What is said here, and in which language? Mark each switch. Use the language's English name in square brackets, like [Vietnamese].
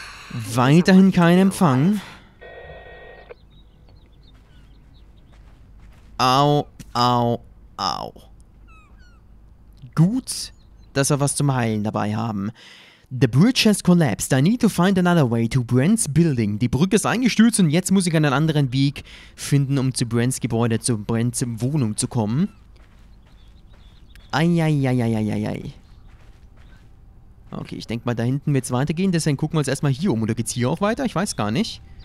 [German] Weiterhin kein Empfang. Au, au, au. Gut, dass wir was zum Heilen dabei haben. [English] The bridge has collapsed. I need to find another way to Brents building. [German] Die Brücke ist eingestürzt und jetzt muss ich einen anderen Weg finden, um zu Brents Gebäude, zu Brents Wohnung zu kommen. Eieieiei. Okay, ich denke mal, da hinten wird es weitergehen. Deswegen gucken wir uns erstmal hier um. Oder geht es hier auch weiter? Ich weiß gar nicht.